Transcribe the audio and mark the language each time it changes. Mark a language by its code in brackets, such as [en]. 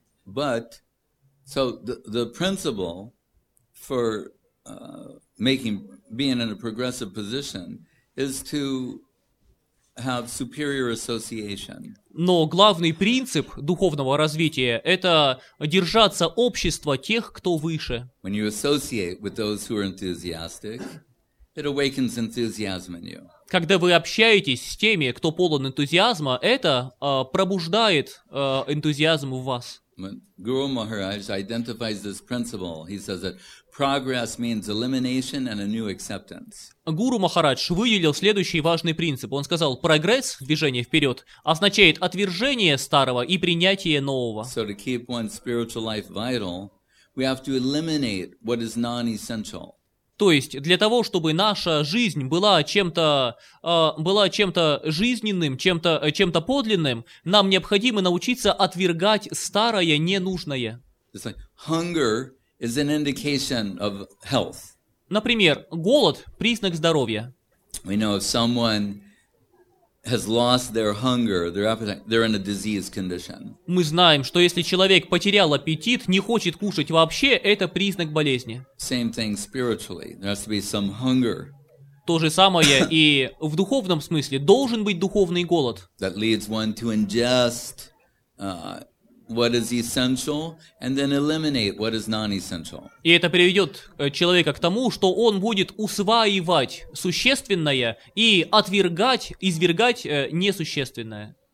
[en] But, so the principle for being in a progressive position is to have superior association. [ru] Но главный принцип духовного развития — это держаться общества тех, кто выше. [en] When you associate with those who are enthusiastic, it awakens enthusiasm in you. [ru] Когда вы общаетесь с теми, кто полон энтузиазма, это пробуждает энтузиазм в вас. [en] Guru Maharaj identifies this principle. He says that progress means elimination and a new acceptance. [ru] Гуру Махарадж выделил следующий важный принцип. Он сказал, прогресс, движение вперед, означает отвержение старого и принятие нового. [en] So to keep one's spiritual life vital, we have to eliminate what is non-essential. [ru] То есть для того, чтобы наша жизнь была чем-то жизненным, чем-то подлинным, нам необходимо научиться отвергать старое, ненужное. [en] It's like hunger is an indication of health. [ru] Например, голод – признак здоровья. [en] We know if someone has lost their hunger, their appetite, they're in a disease condition. [ru] Мы знаем, что если человек потерял аппетит, не хочет кушать вообще, это признак болезни. [en] Same thing spiritually. There has to be some hunger. [ru] То же самое и в духовном смысле. Должен быть духовный голод. [en] That leads one to ingest what is essential and then eliminate what is non-essential. [ru] И это приведет человека к тому, что он будет усваивать существенное и извергать несущественное.